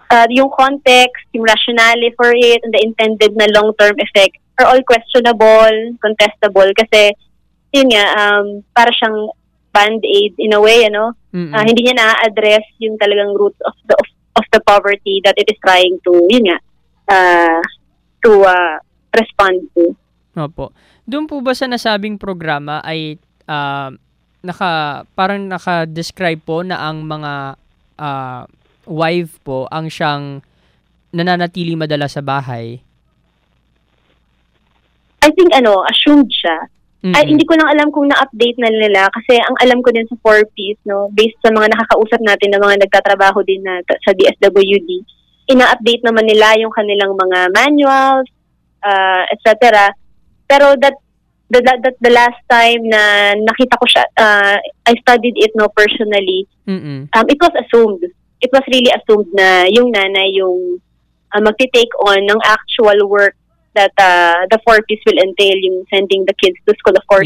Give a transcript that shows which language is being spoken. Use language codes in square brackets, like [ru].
[en] Yung context, yung rationale for it, and the intended na long-term effect are all questionable, contestable, [tl] kasi, yun nga, para siyang [en] band-aid in a way, ano? [tl] Hindi niya na-address yung talagang root of the poverty [en] that it is trying to, [tl] yun nga, [en] respond to. [tl] Opo. Doon po ba sa nasabing programa ay parang naka-describe po na ang mga wife po ang siyang nananatili madalas sa bahay? [en] I think assumed [tl] siya. Ay, hindi ko lang alam kung na-update na nila kasi ang alam ko din sa 4Ps, no, based sa mga nakakausap natin na mga nagtatrabaho din na sa DSWD, ina-update naman nila yung kanilang mga manuals, etc. Pero [en] that the last time [tl] na nakita ko siya, [en] I studied it, no, personally, it was assumed. It was really assumed [tl] na yung nanay yung magti-take on ng [en] actual work that the 4Ps will entail, [tl] yung [en] sending the kids to school, of course,